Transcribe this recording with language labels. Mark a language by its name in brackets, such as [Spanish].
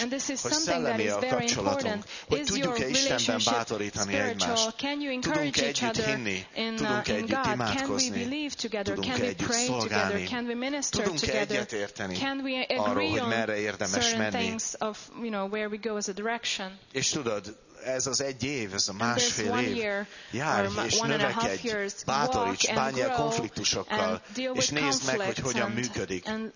[English] And this is something that is very important. [Hungarian] Hogy tudjuk-e Istenben bátorítani egymást? [English] Can you encourage each other? [Hungarian] Tudunk-e együtt imádkozni? [English] Can we believe together? Can we pray together? Can we minister together? Can we agree on certain things of, you know, where we go as a direction? [Hungarian] És tudod, ez az egy év, ez a másfél év. Járj és növekedj, bátoríts, bánj el konfliktusokkal, és nézd meg, hogy hogyan működik.